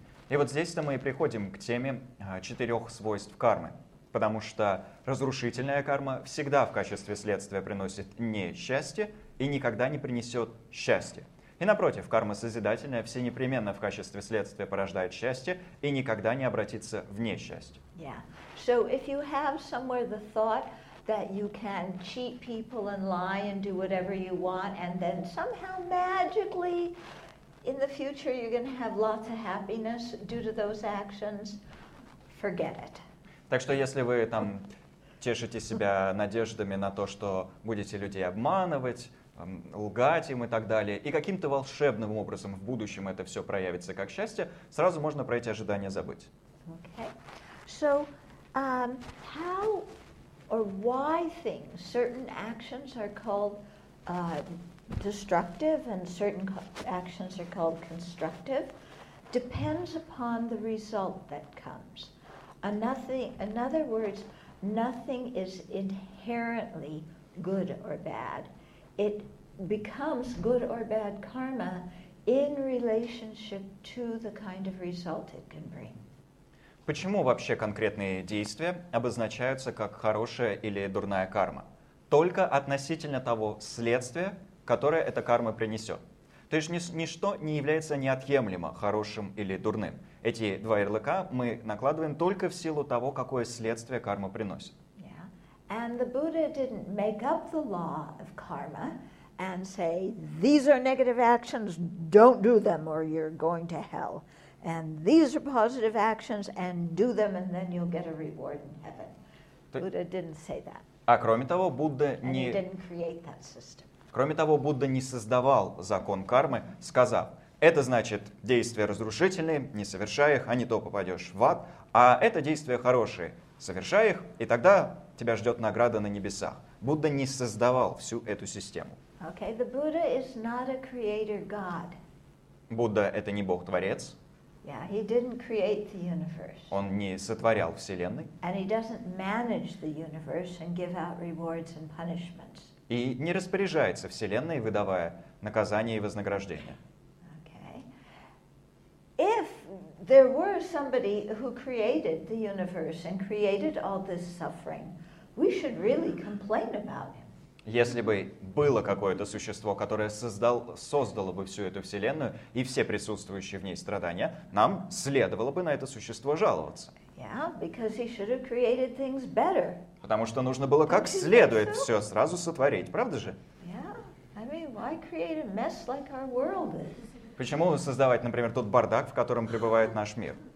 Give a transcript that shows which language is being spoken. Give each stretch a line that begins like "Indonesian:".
Russian: И вот здесь-то мы и приходим к теме четырех свойств кармы. Потому что разрушительная карма всегда в качестве следствия приносит не счастье и никогда не принесет счастье. И напротив, карма созидательная всенепременно в качестве следствия порождает счастье и никогда не обратится в несчастье.
English: Yeah. So if you have somewhere the thought that you can cheat people and lie and do whatever you want, and then somehow magically in the future you're going to have lots of happiness due to those actions, forget it.
Russian: Так что если вы там тешите себя надеждами на то, что будете людей обманывать, лгать им и так далее, и каким-то волшебным образом в будущем это все проявится как счастье, сразу можно про эти ожидания забыть.
English: Okay. So, how or why things, certain actions are called destructive and certain actions are called constructive, depends upon the result that comes. In other words, nothing is inherently good or bad. It becomes good or bad karma in relationship to the kind of result it can bring.
Russian: Почему вообще конкретные действия обозначаются как хорошая или дурная карма? Только относительно того следствия, которое эта карма принесет. То есть ничто не является неотъемлемо хорошим или дурным. Эти два ярлыка мы накладываем только в силу того, какое следствие карма приносит.
English: And the Buddha didn't make up the law of karma and say, these are negative actions, don't do them or you're going to hell. And these are positive actions and do them and then you'll get a reward in heaven. Buddha didn't say that.
Russian: А кроме того, Будда не...
English: And he didn't create that system.
Russian: Кроме того, Будда не создавал закон кармы, сказав, это значит действия разрушительные, не совершая их, а не то попадешь в ад, а это действия хорошие, совершая их, и тогда тебя ждет награда на небесах. Будда не создавал всю эту систему.
English: Okay, the Buddha is not a creator God.
Russian: Будда — это не Бог-творец.
English: Yeah, he didn't create the universe.
Russian: Он не сотворял Вселенной.
English: And he doesn't manage the universe and give out rewards and punishments.
Russian: И не распоряжается Вселенной, выдавая наказания и вознаграждения.
English: Okay. If there were somebody who created the universe and created all this suffering, we should really complain about him.
Russian: Если бы было какое-то существо, которое создало бы всю эту Вселенную и все присутствующие в ней страдания, нам следовало бы на это существо жаловаться.
English: Yeah, because he should have created things better.
Russian: Потому что нужно было как следует все сразу сотворить, правда же?
English: Yeah. I mean, why create a mess like our world is?
Russian: Почему создавать, например, тот бардак, в котором пребывает наш мир?